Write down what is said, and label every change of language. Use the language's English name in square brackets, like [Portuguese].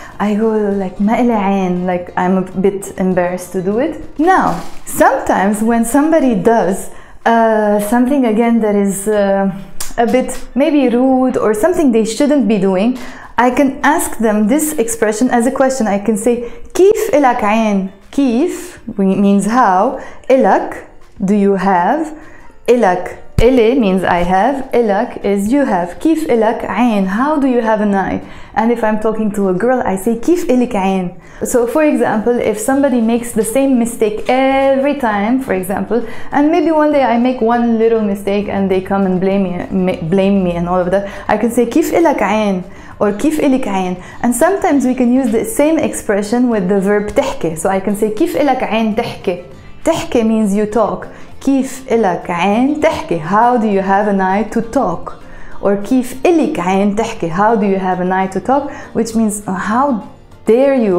[English] I go like, [Arabic] ما إلي عين, [English] like I'm a bit embarrassed to do it. Now, sometimes when somebody does something again that is a bit maybe rude or something they shouldn't be doing, I can ask them this expression as a question. I can say, [Arabic] كيف إلك عين? [English] كيف means how, إلك, do you have, إلك, إلي means I have, إلك is you have. [Arabic] كيف إلك عين? [English] How do you have an eye? And if I'm talking to a girl, I say [Arabic] كيف إلك عين? [English] So for example, if somebody makes the same mistake every time, for example, and maybe one day I make one little mistake and they come and blame me and all of that, I can say [Arabic] كيف إلك عين? [English] Or [Arabic] كيف إلك عين? [English] And sometimes we can use the same expression with the verb تحكي. So I can say [Arabic] كيف إلك عين تحكي? [English] تحكي means you talk. [Arabic] كيف إلك عين تحكي? [English] How do you have an eye to talk? Or [Arabic] كيف إلك عين تحكي? [English] How do you have an eye to talk? Which means how dare you?